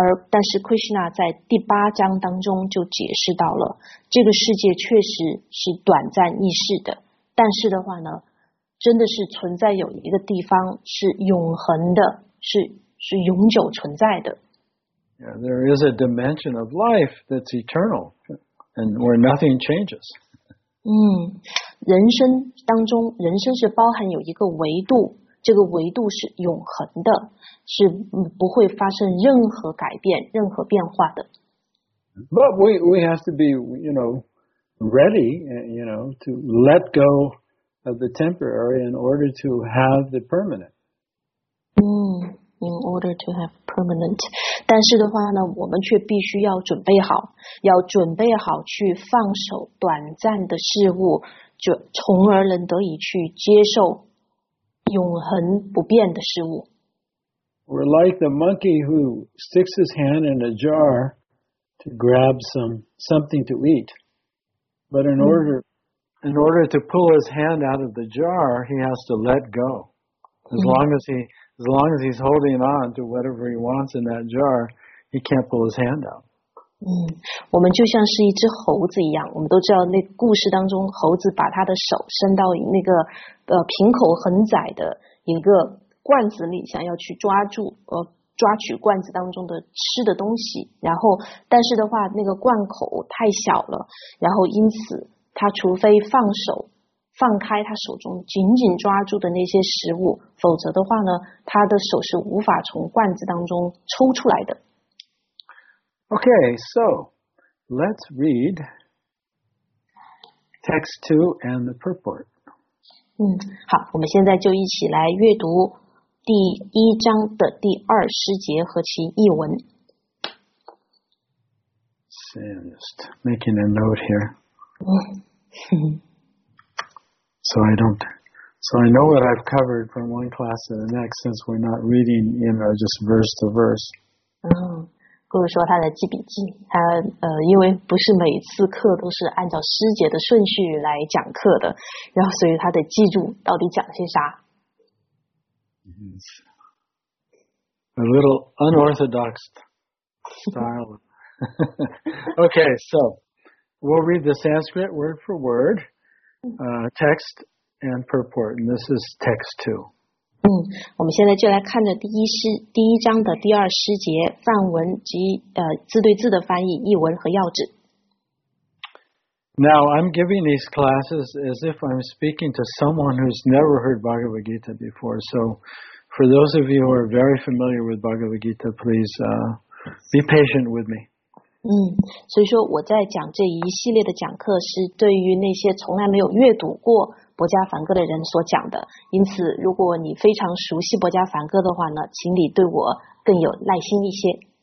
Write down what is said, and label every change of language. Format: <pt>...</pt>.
<zh>但是 Krishna 在第八章当中就解释到了，这个世界确实是短暂易逝的，但是的话呢，真的是存在有一个地方是永恒的，是永久存在的。</zh> <en>Yeah, there is a dimension of life that's eternal, and where nothing changes.</en> <zh>人生当中，人生是包含有一个维度，这个维度是永恒的，是不会发生任何改变、任何变化的。</zh> <en>But we have to be, you know, ready, you know, to let go of the temporary in order to have the permanent. In order to have permanent.</en> <zh>但是的话呢，我们却必须要准备好，要准备好去放手短暂的事物，就从而能得以去接受永恒不变的事物。</zh> <en>We're like the monkey who sticks his hand in a jar to grab something to eat. But in order to pull his hand out of the jar, he has to let go. As long as he's holding on to whatever he wants in that jar, he can't pull his hand out.</en> <zh>我们就像是一只猴子一样，我们都知道那故事当中，猴子把他的手伸到那个瓶口很窄的一个罐子里，想要去抓取罐子当中的吃的东西，然后但是的话那个罐口太小了，然后因此他除非放开他手中紧紧抓住的那些食物，否则的话呢，他的手是无法从罐子当中抽出来的。</zh> <en>Okay, so let's read text 2 and the purport.</en> <zh>好，我们现在就一起来阅读第一章的第二诗节和其译文。</zh> <en>So I'm just making a note here. So I know what I've covered from one class to the next, since we're not reading, you know, just verse to verse.</en> <zh>或者说他在记笔记，他因为不是每次课都是按照师姐的顺序来讲课的，然后所以他得记住到底讲些啥。</zh> <en>A little unorthodox style. Okay, so we'll read the Sanskrit word for word, text and purport, and this is text 2.</en> <zh>我们现在就来看着第一章的第二诗节，范文及字对字的翻译，译文和要旨。</zh> <en>Now, I'm giving these classes as if I'm speaking to someone who's never heard Bhagavad Gita before. So, for those of you who are very familiar with Bhagavad Gita, please be patient with me.</en> <zh>所以说我在讲这一系列的讲课是对于那些从来没有阅读过薄伽梵歌的人所讲的。因此，如果你非常熟悉薄伽梵歌的话呢，请你对我更有耐心一些。</zh>